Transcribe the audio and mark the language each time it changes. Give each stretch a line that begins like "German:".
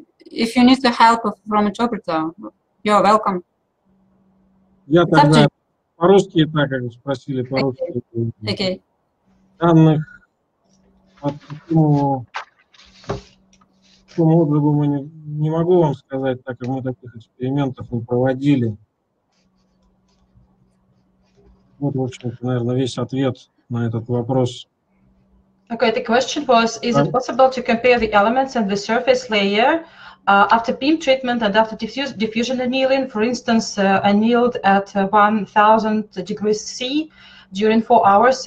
English: If you need the help from interpreter, you're welcome.
Russian: Я тогда по-русски, так как спросили по-русски.
English: Okay.
Russian: Данных по такому отзыву мы не могу вам сказать, так как мы таких экспериментов не проводили. Вот, в общем-то, наверное, весь ответ на этот вопрос.
English: Okay, the question was, is it possible to compare the elements and the surface layer after beam treatment and after diffusion annealing, for instance, annealed at 1,000 degrees C during 4 hours?